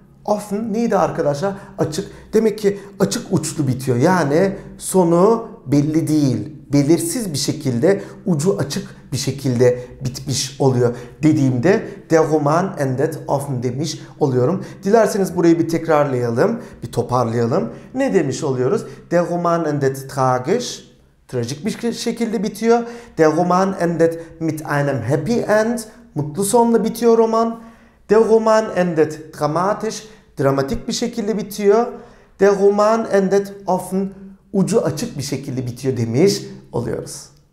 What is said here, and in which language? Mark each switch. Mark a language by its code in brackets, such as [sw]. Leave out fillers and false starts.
[tr] Offen neydi arkadaşlar? Açık. Demek ki açık uçlu bitiyor. Yani sonu belli değil. Belirsiz bir şekilde, ucu açık bir şekilde bitmiş oluyor dediğimde [de] Der Roman endet offen [tr] demiş oluyorum. Dilerseniz burayı bir tekrarlayalım, bir toparlayalım. Ne demiş oluyoruz? [de] Der Roman endet tragisch. [tr] Trajik bir şekilde bitiyor. [de] Der Roman endet mit einem happy end. [tr] Mutlu sonla bitiyor roman. [de] Der Roman endet dramatisch, [tr] dramatik bir şekilde bitiyor. [de] Der Roman endet offen, [tr] ucu açık bir şekilde bitiyor demiş oluyoruz.